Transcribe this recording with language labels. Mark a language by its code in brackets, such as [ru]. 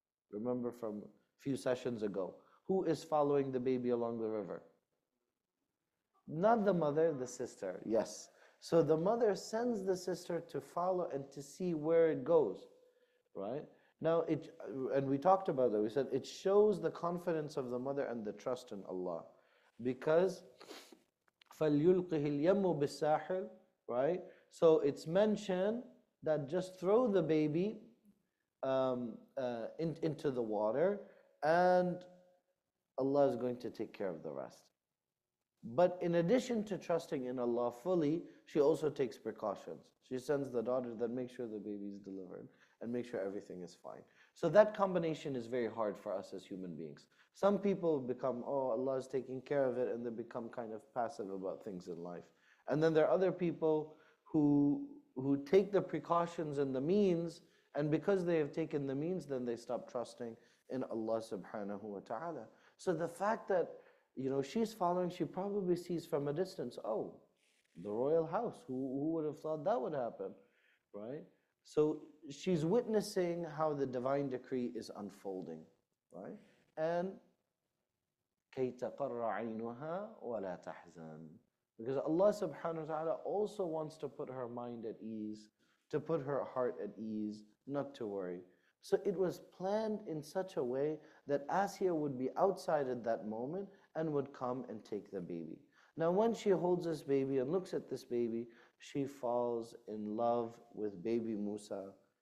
[en] Remember from a few sessions ago, who is following the baby along the river? Not the mother, the sister, yes. So the mother sends the sister to follow and to see where it goes, right? Now, and we talked about that. We said it shows the confidence of the mother and the trust in Allah. Because, [ar] فَلْيُلْقِهِ الْيَمُّ بِالسَّاحِلِ, [en] right? So it's mentioned that just throw the baby into the water and Allah is going to take care of the rest. But in addition to trusting in Allah fully, she also takes precautions. She sends the daughter that makes sure the baby is delivered and make sure everything is fine. So that combination is very hard for us as human beings. Some people become, oh, Allah is taking care of it, and they become kind of passive about things in life. And then there are other people who take the precautions and the means, and because they have taken the means, then they stop trusting in Allah subhanahu wa ta'ala. So the fact that, you know, she's following, she probably sees from a distance, oh, the royal house, who would have thought that would happen, right? So she's witnessing how the divine decree is unfolding, right? And [ar] كَيْ تَقَرَّ عَيْنُهَا وَلَا تَحْزَنُ. [en] Because Allah subhanahu wa ta'ala also wants to put her mind at ease, to put her heart at ease, not to worry. So it was planned in such a way that Asiya would be outside at that moment and would come and take the baby. Now when she holds this baby and looks at this baby, she falls in love with baby Musa.